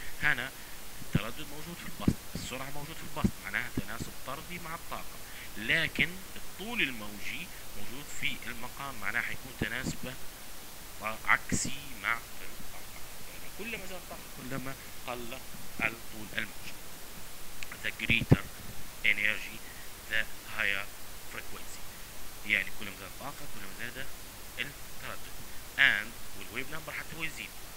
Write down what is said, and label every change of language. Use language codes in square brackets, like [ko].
[ar] هنا التردد موجود في البسط السرعة موجود في البسط معناها تناسب طردي مع الطاقة لكن الطول الموجي موجود في المقام معناه يكون تناسبه عكسي مع كلما زاد الطاقة كلما قل الطول الموجي. [en] The greater energy the higher frequency. [ar] يعني كلما زاد الطاقة كلما زاد التردد. And والويف نمبر حتى هو يزيد.